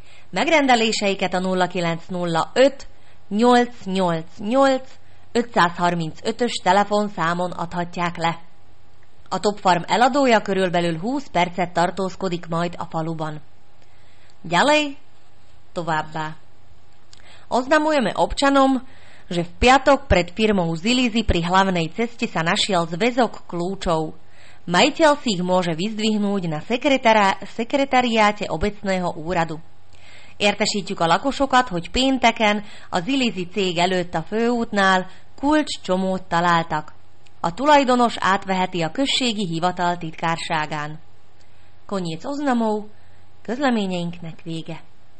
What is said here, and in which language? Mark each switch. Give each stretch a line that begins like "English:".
Hungarian: Megrendeléseiket a 0905-888-535-ös telefonszámon adhatják le. A Top Farm eladója körülbelül 20 percet tartózkodik majd a faluban.
Slovak: Ďalej,
Hungarian: továbbá.
Slovak: Oznamujeme občanom, že v piatok pred firmou Zilizi pri hlavnej ceste sa našiel zväzok kľúčov. Majiteľ si ich môže vyzdvihnúť na sekretariáte obecného úradu.
Hungarian: Értesítjük a lakosokat, hogy pénteken a Zilizi cég előtt a főútnál kulcscsomót találtak. A tulajdonos átveheti a községi hivatal titkárságán.
Slovak: Koniec oznamov,
Hungarian: közleményeinknek vége.